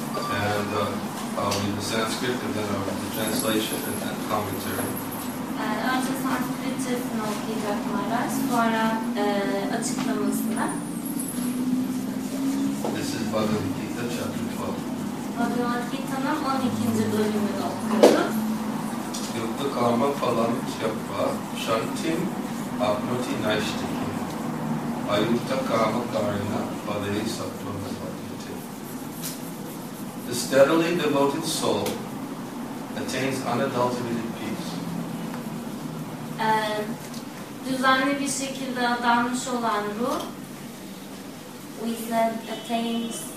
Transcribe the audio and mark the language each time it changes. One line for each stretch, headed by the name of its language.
English: And I'll read the Sanskrit, and then I'll read the translation and then commentary.
Turkish: Önce Sanskritçesini okuyacak Maharaj, sonra açıklamasını.
English: This is Bhagavad Gita chapter 12.
Turkish: Bhagavad Gita'nın 12. bölümünü okuyoruz.
Sanskrit: Yukta karma falam kyapva shantim apnoti naishtikim ayukta karma karina padehi sattvama svatite.
English: The steadily devoted soul attains unadulterated peace.
Turkish: Düzenli bir şekilde adanmış olan ruh
English: with that attains